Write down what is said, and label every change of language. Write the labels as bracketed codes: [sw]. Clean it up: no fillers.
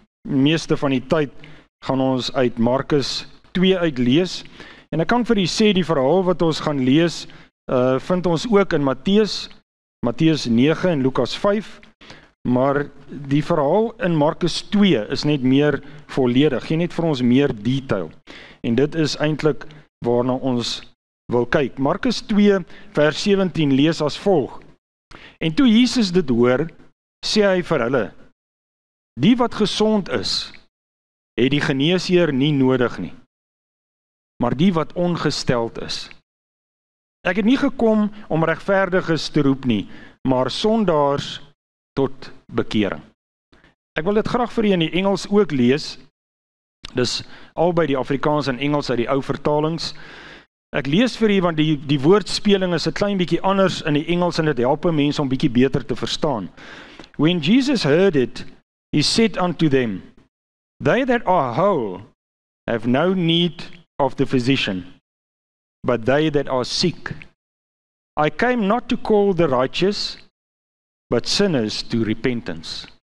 [af] Meeste van die tyd gaan ons uit Markus 2 uitlees en ek kan vir u sê die verhaal wat ons gaan lees vind ons ook in Matteus 9 en Lukas 5, maar die verhaal in Markus 2 is net meer volledig, gee net vir ons meer detail en dit is eintlik waarna ons wil kyk. Markus 2 vers 17 lees as volg: En toe Jesus dit hoor, sê hy vir hulle: Die wat gesond is, het die geneesheer nie nodig nie, maar die wat ongesteld is. Ek het nie gekom om regverdiges te roep nie, maar sondaars tot bekering. Ek wil dit graag vir u in die Engels ook lees, dis albei die Afrikaans en Engels uit die ou vertalings. Ek lees vir u, want die woordspeling is 'n klein bietjie anders in die Engels en dit help mense om bietjie beter te verstaan. [en] When Jesus heard it, he said unto them, They that are whole have no need of the physician, but they that are sick. I came not to call the righteous, but sinners to repentance.